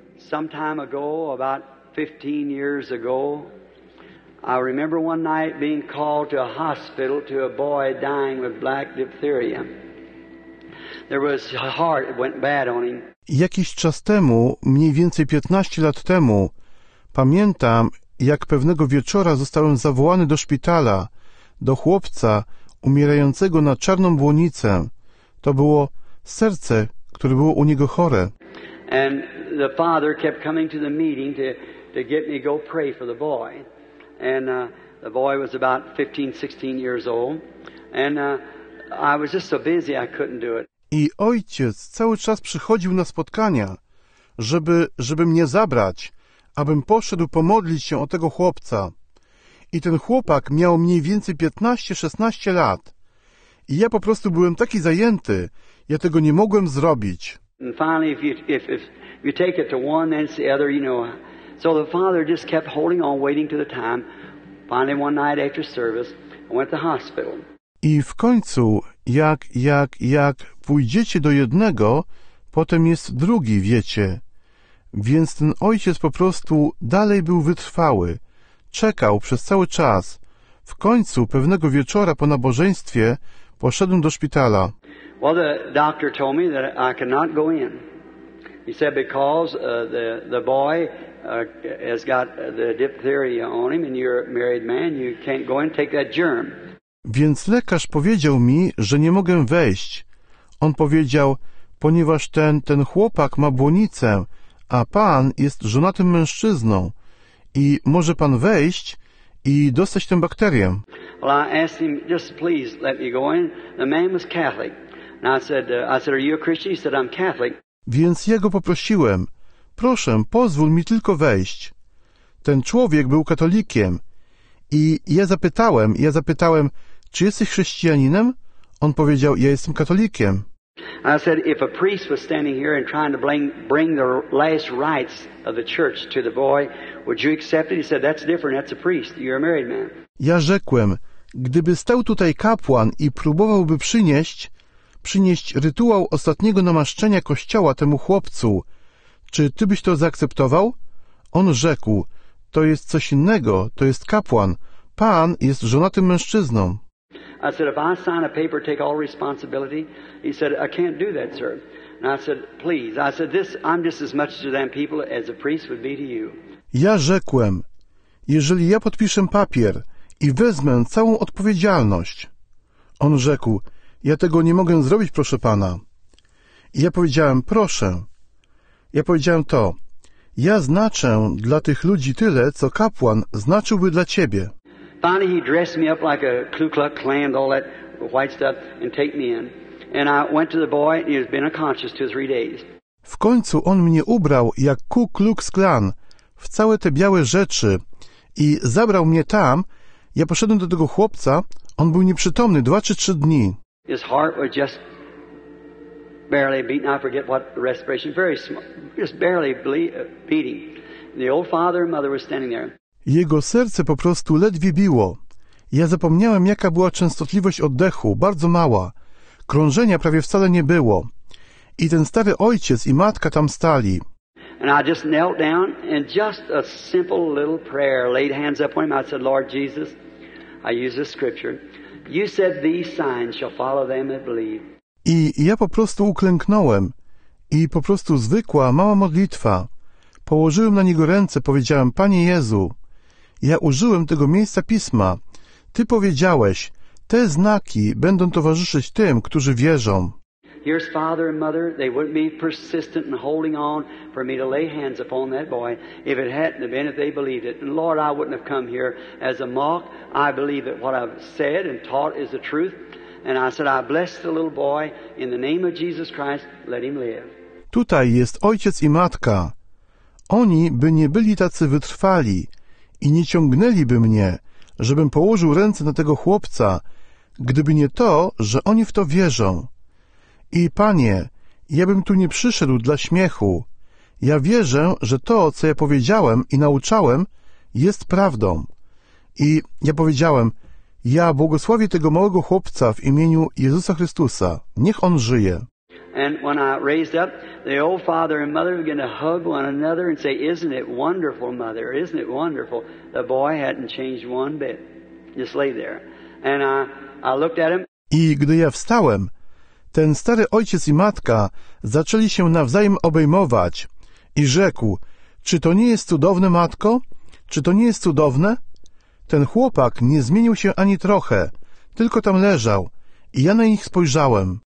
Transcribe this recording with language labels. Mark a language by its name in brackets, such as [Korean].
[English] Some time ago, about 15 years ago, I remember one night being called to a hospital to a boy dying with black diphtheria. There was a heart, it went bad on him. [Polish] Jakiś czas temu, mniej więcej 15 lat temu, pamiętam, jak pewnego wieczora zostałem zawołany do szpitala, do chłopca umierającego na czarną błonicę. To było serce, które było u niego chore. [English] And the father kept coming to the meeting to get me to go pray for the boy. And the boy was about 15, 16 years old. And I was just so busy, I couldn't do it. [Polish] I ojciec cały czas przychodził na spotkania, żeby mnie zabrać, abym poszedł pomodlić się o tego chłopca. I ten chłopak miał mniej więcej 15-16 lat. I ja po prostu byłem taki zajęty, ja tego nie mogłem zrobić. [English] And finally, if you take it to one, then it's the other, you know. So the father just kept holding on, waiting to the time. Finally, one night after service, I went to the hospital. [Polish] I w końcu, jak pójdziecie do jednego, potem jest drugi, wiecie. Więc ten ojciec po prostu dalej był wytrwały. Czekał przez cały czas. W końcu, pewnego wieczora po nabożeństwie, poszedłem do szpitala. [English] Well, the doctor told me that I cannot go in. He said because the boy has got the diphtheria on him and you're a married man, you can't go in and take that germ. [Polish] Więc lekarz powiedział mi, że nie mogę wejść. On powiedział, ponieważ ten chłopak ma błonicę, a pan jest żonatym mężczyzną i może pan wejść i dostać tę bakterię. [English] Well, I asked him, just please let me go in. The man was Catholic. And I said, are you a Christian? He said, I'm Catholic. [Polish] Więc ja go poprosiłem, proszę, pozwól mi tylko wejść. Ten człowiek był katolikiem. I ja zapytałem, czy jesteś chrześcijaninem? On powiedział, ja jestem katolikiem. [English] I said, if a priest was standing here and trying to bring the last rites of the church to the boy, would you accept it? He said, that's different, that's a priest, you're a married man. [Polish] Ja rzekłem, gdyby stał tutaj kapłan i próbowałby przynieść rytuał ostatniego namaszczenia kościoła temu chłopcu, czy ty byś to zaakceptował? On rzekł, to jest coś innego, to jest kapłan. Pan jest żonatym mężczyzną. [English] I said, if I sign a paper, take all responsibility. He said, I can't do that, sir. And I said, please. I said, this, I'm just as much to them people as a priest would be to you. [Polish] Ja rzekłem, jeżeli ja podpiszę papier i wezmę całą odpowiedzialność. On rzekł, ja tego nie mogę zrobić, proszę pana. I ja powiedziałem, proszę. Ja powiedziałem to. Ja znaczę dla tych ludzi tyle, co kapłan znaczyłby dla ciebie. [English] Finally he dressed me up like a Ku Klux Klan, all that white stuff, and take me in. And I went to the boy, and he has been unconscious 2 or 3 days. [Polish] W końcu on mnie ubrał jak Ku Klux Klan w całe te białe rzeczy i zabrał mnie tam. Ja poszedłem do tego chłopca, on był nieprzytomny 2 czy 3 dni. [English] His heart was just barely beating. I forget what the respiration, very small, just barely beating. And the old father and mother were standing there. [Polish] Jego serce po prostu ledwie biło. Ja zapomniałem, jaka była częstotliwość oddechu, bardzo mała. Krążenia prawie wcale nie było. I ten stary ojciec i matka tam stali. [English] And I just knelt down and just a simple little prayer, laid hands up on him. I said, Lord Jesus, I use this scripture. You said these signs shall follow them that believe. [Polish] I ja po prostu uklęknąłem. I po prostu zwykła, mała modlitwa. Położyłem na niego ręce, powiedziałem, Panie Jezu, ja użyłem tego miejsca Pisma. Ty powiedziałeś, te znaki będą towarzyszyć tym, którzy wierzą. [English] Here's father and mother, they wouldn't be persistent in holding on for me to lay hands upon that boy if it hadn't been if they believed it. And Lord, I wouldn't have come here as a mock. I believe that what I've said and taught is the truth. And I said, I bless the little boy in the name of Jesus Christ, let him live. [Polish] Tutaj jest ojciec i matka. Oni by nie byli tacy wytrwali i nie ciągnęliby mnie, żebym położył ręce na tego chłopca, gdyby nie to, że oni w to wierzą. I Panie, ja bym tu nie przyszedł dla śmiechu. Ja wierzę, że to, co ja powiedziałem i nauczałem, jest prawdą. I ja powiedziałem, ja błogosławię tego małego chłopca w imieniu Jezusa Chrystusa. Niech on żyje. [English] And when I raised up, the old father and mother began to hug one another and say, isn't it wonderful, mother, isn't it wonderful? The boy hadn't changed one bit. Just lay there. And I looked at him. [Polish] I gdy ja wstałem, ten stary ojciec i matka zaczęli się nawzajem obejmować i rzekł, czy to nie jest cudowne, matko? Czy to nie jest cudowne? Ten chłopak nie zmienił się ani trochę, tylko tam leżał i ja na nich spojrzałem.